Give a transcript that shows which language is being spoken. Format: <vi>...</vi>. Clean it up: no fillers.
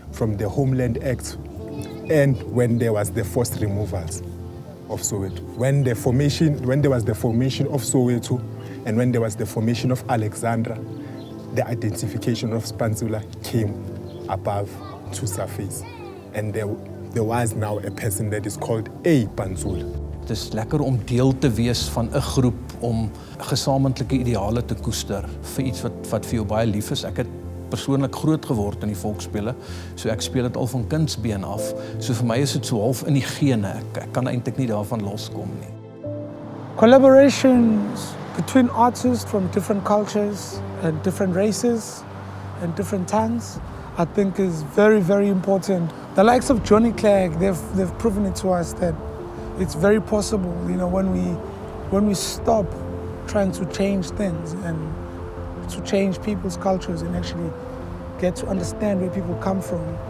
<en>From the Homeland Act and when there was the forced removals of Soweto. When there was the formation of Soweto and when there was the formation of Alexandra, the identification of Hispanzula came above to surface. And there was now a person that is called a Hispanzula.</en> <af>Dit is lekker om deel te wees van 'n groep om gesamentlike ideale te koester vir iets wat vir jou baie lief is. Ek het persoonlik groot geword in die volksspele, so ek speel dit al van kindsbeen af. So vir my is dit so half in die gene. Ek kan eintlik nie daarvan loskom nie.</af> <en>Collaborations between artists from different cultures and different races and different tongues, I think is very, very important. The likes of Johnny Clegg, they've proven it to us that it's very possible, you know, when we stop trying to change things and to change people's cultures and actually get to understand where people come from.</en>